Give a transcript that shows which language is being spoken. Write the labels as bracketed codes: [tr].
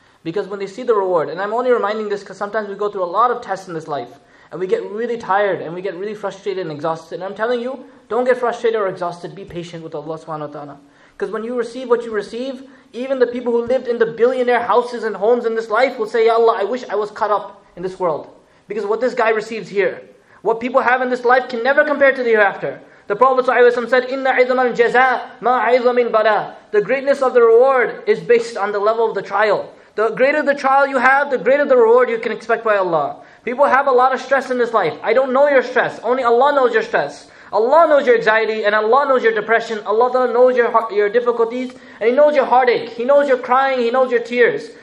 [en] Because when they see the reward, and I'm only reminding this because sometimes we go through a lot of tests in this life, and we get really tired, and we get really frustrated and exhausted. And I'm telling you, don't get frustrated or exhausted, be patient with Allah subhanahu wa ta'ala. Because when you receive what you receive, even the people who lived in the billionaire houses and homes in this life will say, Ya Allah, I wish I was cut up in this world. Because what this guy receives here, what people have in this life can never compare to the hereafter. The Prophet ﷺ said, [ar] "Inna عِظَمَ الْجَزَاءَ مَا عِظَمَ مِنْ بَلَىٰ." [en] The greatness of the reward is based on the level of the trial. The greater the trial you have, the greater the reward you can expect by Allah. People have a lot of stress in this life. I don't know your stress. Only Allah knows your stress. Allah knows your anxiety and Allah knows your depression. Allah knows your difficulties and He knows your heartache. He knows your crying. He knows your tears.